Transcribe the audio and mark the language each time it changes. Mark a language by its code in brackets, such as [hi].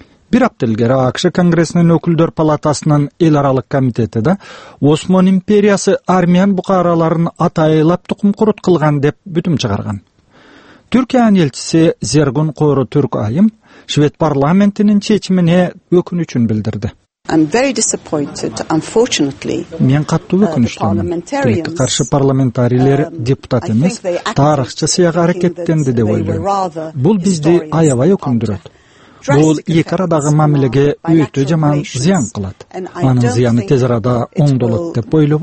[ky] Бир апта илгери АКШ Конгрессинин өкүлдөр палатасынын эл аралык комитети да Осман империясы армян букараларын атайылап тукум курут кылган деп бүтүм чыгарган. Түркиянын элчиси Зергун Койру Түрк Айым швед парламентинин чечимине өкүнүчүн билдирди. [en] I'm very disappointed, unfortunately. [ky] Мен каттуу өкүнүчтөмүн. Тилекке каршы парламентарийлер депутат эмес, тарыхчы сыяга аракеттенди деп ойлойм. Бул бизди аябай өкүндүрөт. Бул эки арадагы мамилеге өтө жаман зыян кылат. Анын зыяны тез арада оңдолот деп